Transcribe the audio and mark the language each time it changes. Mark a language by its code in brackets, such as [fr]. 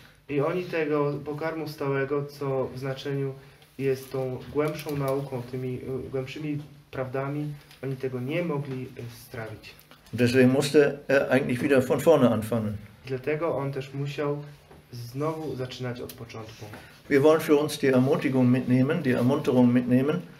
[pl] I oni tego pokarmu stałego, co w znaczeniu jest tą głębszą nauką, tymi głębszymi prawdami, oni tego nie mogli strawić. [de] Deswegen musste er eigentlich wieder von vorne anfangen. [pl] Dlatego on też musiał znowu zaczynać od początku. [de] Wir wollen für uns die Ermutigung mitnehmen, die Ermunterung mitnehmen.